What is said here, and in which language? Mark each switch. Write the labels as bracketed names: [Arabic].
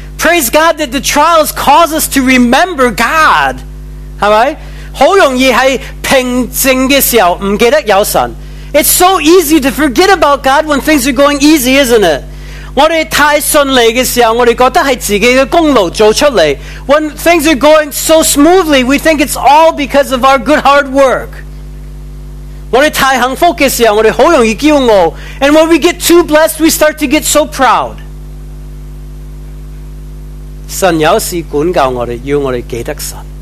[English] Praise God that the trials cause us to remember God. [Chinese] 好容易是平静的时候,忘记有神。 [English] It's so easy to forget about God when things are going easy, isn't it? [Chinese] 我们太顺利的时候,我们觉得是自己的功劳做出来。 [English] When things are going so smoothly, we think it's all because of our good hard work. [Chinese] 我们太幸福的时候,我们很容易骄傲。 [English] And when we get too blessed, we start to get so proud. [Chinese] 神有事管教我们,要我们记得神。